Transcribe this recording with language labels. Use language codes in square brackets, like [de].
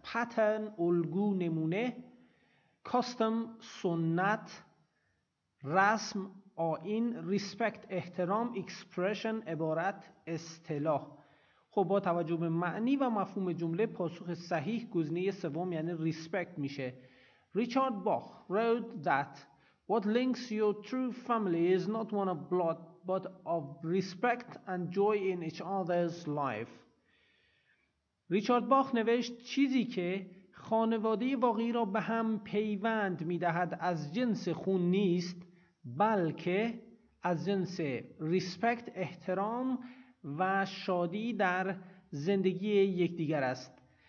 [fa] پترن الگو نمونه، کاستم سنت، رسم آیین، ریسپکت احترام، اکسپرشن عبارت اصطلاح. خب با توجه به معنی و مفهوم جمله پاسخ صحیح گزینه سوم یعنی ریسپکت میشه. [en] Richard Bach wrote that what links your true family is not one of blood but of respect and joy in each other's life. [fa] ریچارد باخ نوشت چیزی که خانواده واقعی را به هم پیوند می‌دهد از جنس خون نیست، بلکه از جنس respect احترام و شادی در زندگی یکدیگر است.